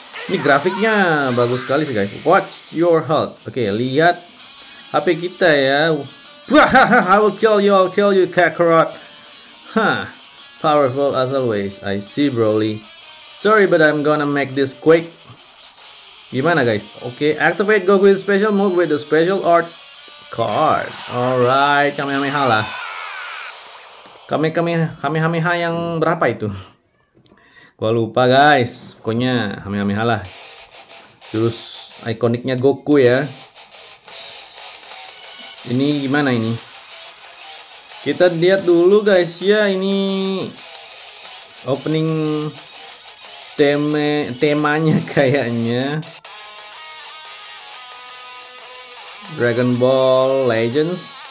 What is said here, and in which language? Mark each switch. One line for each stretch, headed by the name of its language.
Indonesian: Ini grafiknya bagus sekali sih guys.
English: Watch your health. Okay,
Indonesian: lihat HP kita ya.
English: I will kill you, I'll kill you, Kakarot. Powerful as always. I see, Broly. Sorry, but I'm gonna make this quick.
Indonesian: Gimana guys?
English: Okay, activate Goku's special move with the special art card.
Indonesian: Alright, Kamehameha lah. Kamehameha yang berapa itu? Gua lupa guys, pokoknya Kamehameha lah. Terus ikoniknya Goku ya. Ini gimana ini? Kita lihat dulu guys ya, ini opening temanya kayaknya Dragon Ball Legends.